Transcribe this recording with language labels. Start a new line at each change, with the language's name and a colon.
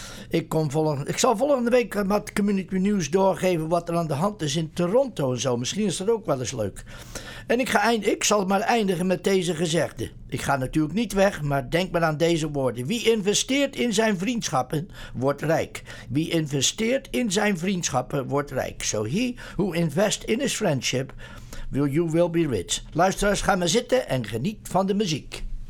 Dutch: Ik zal volgende week wat community news doorgeven wat er aan de hand is in Toronto en zo. Misschien is dat ook wel eens leuk. En ik zal maar eindigen met deze gezegde. Ik ga natuurlijk niet weg, maar denk maar aan deze woorden. Wie investeert in zijn vriendschappen, wordt rijk. Wie investeert in zijn vriendschappen, wordt rijk.
English: So he who invests in his friendship, you will be rich.
Dutch: Luisteraars, ga maar zitten en geniet van de muziek.